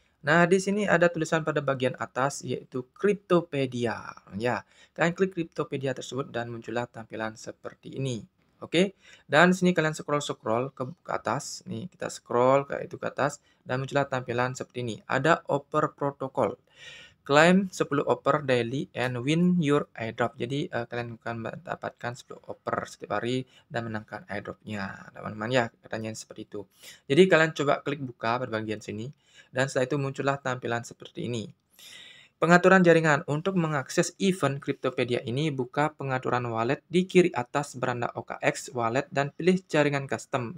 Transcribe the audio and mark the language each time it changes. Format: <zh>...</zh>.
<id>Nah, di sini ada tulisan pada bagian atas yaitu Cryptopedia. Ya, kalian klik Cryptopedia tersebut dan muncullah tampilan seperti ini. Oke, dan sini kalian scroll-scroll ke atas. Nih, kita scroll ke itu ke atas dan muncullah tampilan seperti ini. Ada offer protocol.</id> <en>Claim 10 offer daily and win your airdrop.</en> <id>Jadi kalian akan mendapatkan 10 offer setiap hari dan menangkan airdrop-nya. Teman-teman, ya, katanya seperti itu. Jadi kalian coba klik buka pada bagian sini dan setelah itu muncullah tampilan seperti ini. Pengaturan jaringan. Untuk mengakses event Cryptopedia ini, buka pengaturan wallet di kiri atas beranda OKX wallet dan pilih jaringan custom.</id>